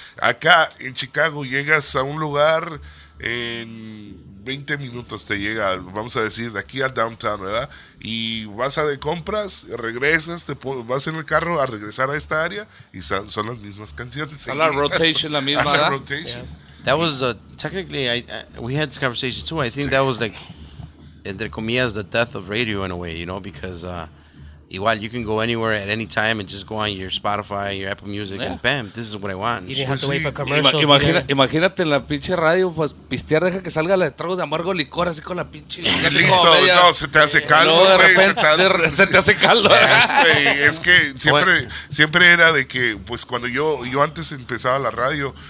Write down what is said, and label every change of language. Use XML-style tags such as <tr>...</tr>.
<es>Acá, en Chicago, llegas a un lugar en 20 minutos te llega, vamos a decir, de aquí a downtown, ¿verdad? Y vas a de compras, regresas, vas en el carro a regresar a esta área y son las mismas canciones. A la rotation, la misma, a la rotation. Yeah.</es> <en>That was, technically, we had this conversation too. I think that was like,</en> <es>entre comillas,</es> <en>the death of radio in a way, you know, because igual, you can go anywhere at any time and just go on your Spotify, your Apple Music, yeah. And bam, this is what I want. You didn't have to wait for commercials.</en> <es>Imagínate en la pinche radio, pues, pistear, deja que salga la de tragos de amargo licor, así con la pinche... Listo, no, se te hace caldo. De repente, se te hace caldo. Es que siempre era de que, pues, cuando yo antes empezaba la radio...</es>